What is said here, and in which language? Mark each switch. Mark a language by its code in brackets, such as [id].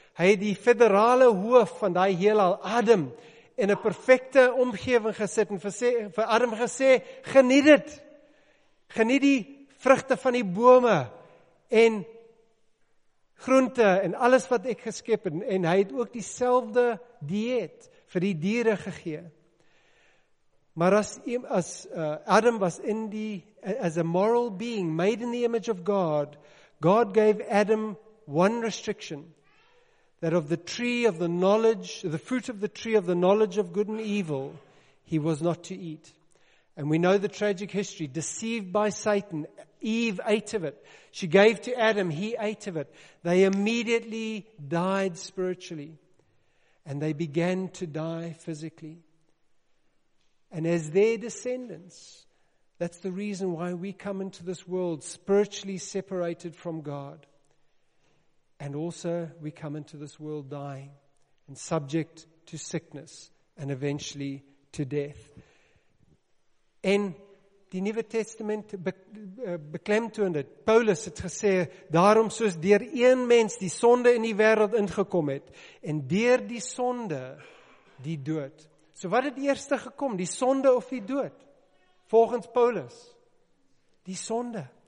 [af] Hy het die federale hoof van daai heelal, Adam, in 'n perfekte omgewing gesit en vir Adam gesê, geniet dit. Geniet die vrugte van die bome en groente en alles wat ek geskep het, en hy het ook dieselfde dieet vir die diere gegee. Maar Adam was in die, [en] as a moral being, made in the image of God, God gave Adam one restriction, that of the tree of the knowledge, the fruit of the tree of the knowledge of good and evil, he was not to eat. And we know the tragic history, deceived by Satan, Eve ate of it. She gave to Adam, he ate of it. They immediately died spiritually, and they began to die physically. And as their descendants, that's the reason why we come into this world spiritually separated from God. And also we come into this world dying and subject to sickness and eventually to death. [af] En die Nuwe Testament beklemtoon dit. Paulus het gesê, daarom soos deur een mens die sonde in die wêreld ingekom het, en deur die sonde die dood. So wat het eerste gekom, die sonde of die dood? Volgens Paulus, die sonde.